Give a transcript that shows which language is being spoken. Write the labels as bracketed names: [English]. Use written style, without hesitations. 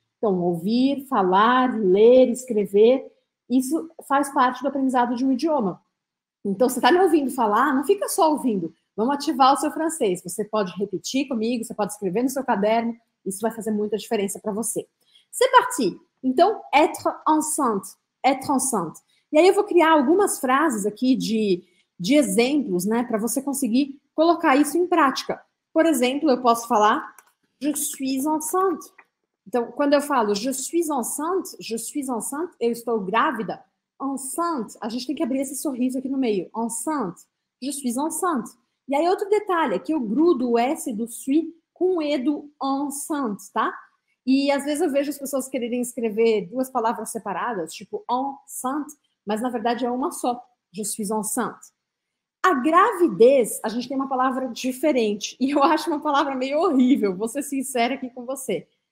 [Portuguese] Então, ouvir, falar, ler, escrever, isso faz parte do aprendizado de um idioma. Então, você está me ouvindo falar, não fica só ouvindo. Vamos ativar o seu francês. Você pode repetir comigo, você pode escrever no seu caderno. Isso vai fazer muita diferença para você. [French] C'est parti! [Portuguese] Então, [French] être enceinte, être enceinte. [Portuguese] E aí eu vou criar algumas frases aqui de exemplos, né, para você conseguir colocar isso em prática. Por exemplo, eu posso falar [French] je suis enceinte. [Portuguese] Então, quando eu falo [French] je suis enceinte, [Portuguese] eu estou grávida. Enceinte, a gente tem que abrir esse sorriso aqui no meio. [French] Enceinte, je suis enceinte. [Portuguese] E aí outro detalhe é que eu grudo o S do suis com o E do enceinte, tá? E às vezes eu vejo as pessoas quererem escrever duas palavras separadas, tipo enceinte, mas na verdade é uma só, [French] je suis enceinte. [Portuguese] A gravidez, a gente tem uma palavra diferente, e eu acho uma palavra meio horrível, vou ser sincera aqui com você.